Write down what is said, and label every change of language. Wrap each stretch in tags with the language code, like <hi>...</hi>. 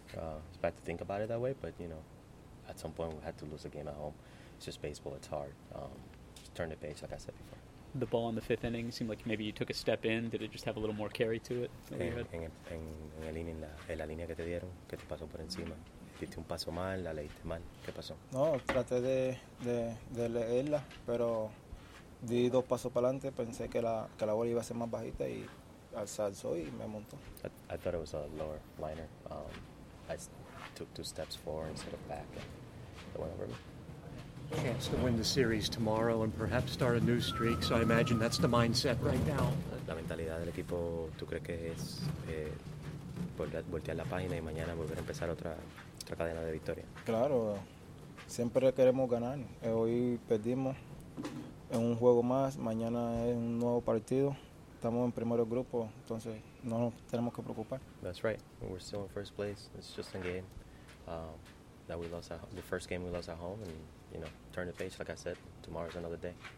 <en>It's bad to think about it that way, but you know, at some point we had to lose a game at home. It's just baseball, it's hard. Just turn the page, like I said before. The ball in the fifth inning seemed like maybe you took a step in. Did it just have a little more carry to it?</en> <es>En la línea que te dieron, que te pasó por encima. Diste un paso mal, la leíste mal. ¿Qué pasó? No, traté de leerla, pero. Di dos pasos para adelante, pensé que la bola iba a ser más bajita y alzó y me montó.</es> <en>I thought it was a lower liner. I took two steps forward instead of back, and it went over me. Chance to win the series tomorrow and perhaps start a new streak, so I imagine that's the mindset right now.</en> <es>La mentalidad del equipo, ¿tú crees que es voltear la página y mañana volver a empezar otra cadena de victoria? Claro, siempre queremos ganar. Hoy perdimos. Es un juego más, mañana es un nuevo partido. Estamos en primer grupo, entonces no nos tenemos que preocupar.</es> <en>That's right. We're still in first place. It's just a game that we lost the first game we lost at home, and you know, turn the page. Like I said, tomorrow's another day.</en>